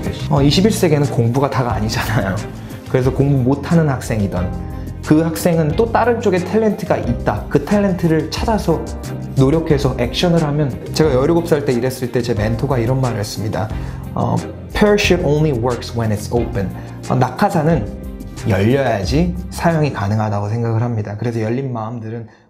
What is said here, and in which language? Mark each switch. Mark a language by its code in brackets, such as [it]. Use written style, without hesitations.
[ko] 21세기에는 공부가 다가 아니잖아요. 그래서 공부 못하는 학생이던 그 학생은 또 다른 쪽에 탤런트가 있다. 그 탤런트를 찾아서 노력해서 액션을 하면 제가 17살 때 일했을 때 제 멘토가 이런 말을 했습니다. [en] Parachute only works when it's open. [ko] 낙하산은 열려야지 사용이 가능하다고 생각을 합니다. 그래서 열린 마음들은